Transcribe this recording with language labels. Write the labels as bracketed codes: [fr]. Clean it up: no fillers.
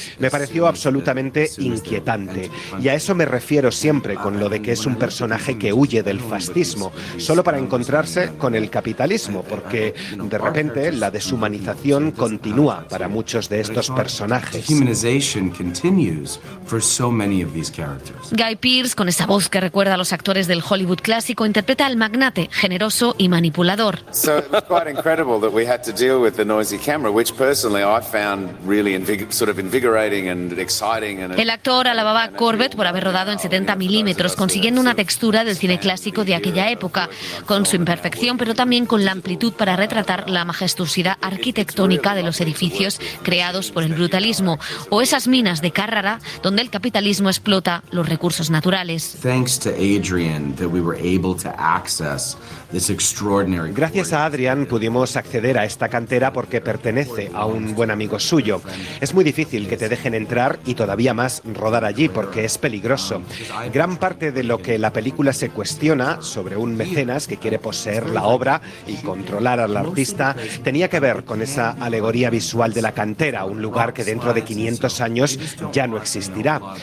[es] Me pareció absolutamente inquietante. Y a eso me refiero siempre con lo de que es un personaje que huye del fascismo, solo para encontrarse con el capitalismo, porque de repente la deshumanización continúa para muchos de estos personajes. Guy Pearce, con esa voz que recuerda a los actores del Hollywood clásico, interpreta al magnate generoso y manipulador. [en] So it was quite incredible that we had to deal with the noisy camera, which personally I found really invigorating and exciting. [es] El actor alababa a Corbett por haber rodado en 70 milímetros, consiguiendo una textura del cine clásico de aquella época, con su imperfección, pero también con la amplitud para retratar la majestuosidad arquitectónica de los edificios creados por el brutalismo, o esas minas de Carrara donde el capitalismo explota los recursos naturales. [en] Thanks to Adrian that we were able to access this extraordinary. [es] Gracias a Adrian pudimos acceder a esta cantera porque pertenece a un buen amigo suyo. Es muy difícil que te dejen entrar y todavía más rodar allí porque es peligroso. Gran parte de lo que la película se cuestiona sobre un mecenas que quiere poseer la obra y controlar al artista tenía que ver con esa alegoría visual de la cantera, un lugar que dentro de 500 años ya no existirá.